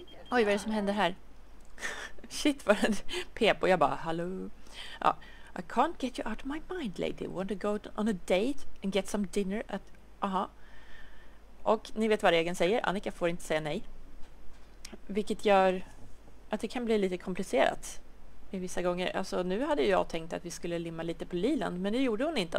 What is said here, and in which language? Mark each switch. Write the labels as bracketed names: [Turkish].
[Swedish] Oj, vad är det som händer här? Shit, vad det pep och jag bara, hallå. Ja. [English] I can't get you out of my mind, lady. Want to go on a date and get some dinner at... [Swedish] Aha. Och ni vet vad regeln säger. Annika får inte säga nej. Vilket gör att det kan bli lite komplicerat. I vissa gånger. Alltså, nu hade jag tänkt att vi skulle limma lite på Liland. Men det gjorde hon inte.